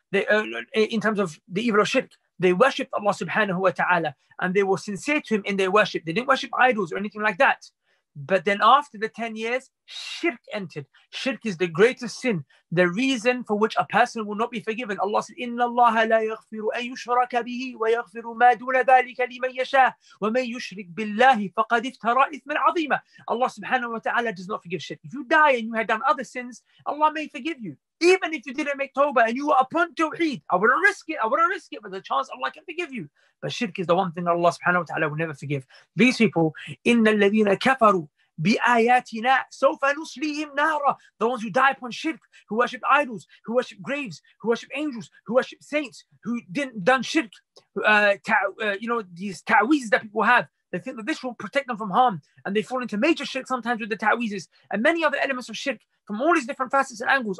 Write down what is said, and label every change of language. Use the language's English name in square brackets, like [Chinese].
[English] They worshipped Allah subhanahu wa ta'ala. And they were sincere to him in their worship. They didn't worship idols or anything like that. But then after the 10 years, shirk entered. Shirk is the greatest sin. The reason for which a person will not be forgiven. Allah said, [Arabic] إِنَّ اللَّهَ لَا يَغْفِرُ أَن يُشْرَكَ بِهِ وَيَغْفِرُ مَا دُونَ ذَلِكَ لِمَن يَشَاءُ وَمَن يُشْرِكْ بِاللَّهِ فَقَدِ افْتَرَى إِثْمًا عَظِيمًا. [English] Allah subhanahu wa ta'ala does not forgive shirk. If you die and you had done other sins, Allah may forgive you. Even if you didn't make tawbah and you were upon tawheed, I wouldn't risk it. I wouldn't risk it, but the chance Allah can forgive you. But shirk is the one thing that Allah subhanahu wa ta'ala will never forgive. These people, [Arabic] إِنَّ الَّذِينَ كَفَرُوا بِآيَاتِنَا سَوْفَ نُصْلِيهِمْ نَارًا. [English] The ones who die upon shirk, who worship idols, who worship graves, who worship angels, who worship saints, who didn't done shirk, these ta'weezes that people have. They think that this will protect them from harm. And they fall into major shirk sometimes with the ta'weezes and many other elements of shirk from all these different facets and angles.